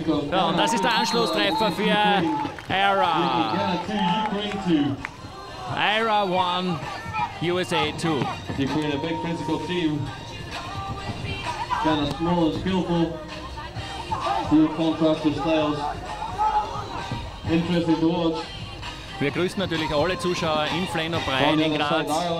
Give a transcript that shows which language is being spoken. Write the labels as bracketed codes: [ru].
[de] Ja, und das ist der Anschlusstreffer für Ira. Ira 1, USA 2. [en] Kind of small and skillful, new contrast of styles, interesting to watch. [de] Wir grüßen natürlich alle Zuschauer in Flannel Brian in Graz.